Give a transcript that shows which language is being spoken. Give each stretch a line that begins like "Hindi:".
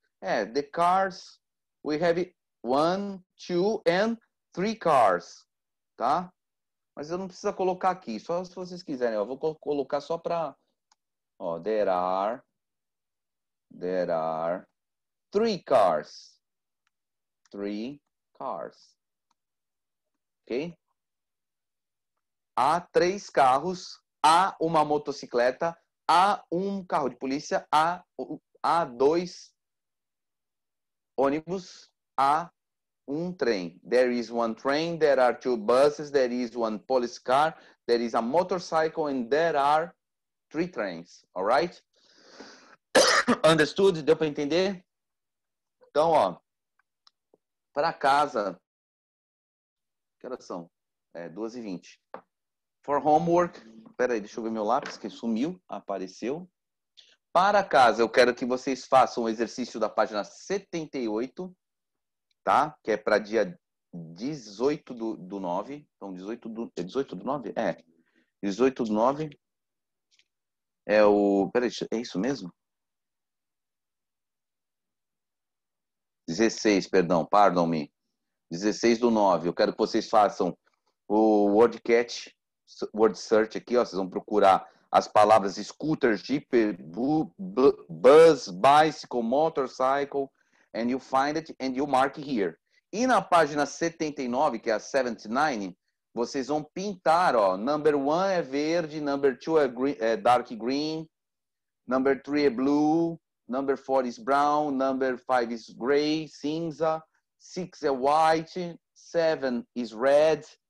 English: É, the cars, we have one, two and three cars, tá?
Portuguese: Mas eu não preciso colocar aqui, só se vocês quiserem. Eu vou colocar só para... Ó,
English: there are three cars. Three cars. Ok?
Portuguese: Há três carros, há uma motocicleta, há um carro de polícia, há dois ônibus, há um trem.
English: There is one train, there are two buses, there is one police car, there is a motorcycle, and there are three trains. All right? Understood?
Portuguese: Deu para entender? Então, ó, para casa, que horas são? É 2h20.
English: For homework,
Portuguese: peraí, deixa eu ver meu lápis, que sumiu, apareceu. Para casa, eu quero que vocês façam o exercício da página 78, tá? Que é para dia 18 do 9. Então, 18 do 9? É. 18 do 9 é o... Peraí, é isso mesmo? 16, perdão,
English: pardon me.
Portuguese: 16 do 9, eu quero que vocês façam o WordCat... Word search aqui, ó. Vocês vão procurar as palavras
English: scooter, jeep, bus, bicycle, motorcycle, and you find it and you mark here.
Portuguese: E na página 79, que é a 79, vocês vão pintar, ó.
English: Number 1
Portuguese: é verde,
English: number 2
Portuguese: é
English: dark green, number 3
Portuguese: é
English: blue, number 4 is brown, number 5 is gray,
Portuguese: cinza, 6 é white,
English: 7 is red.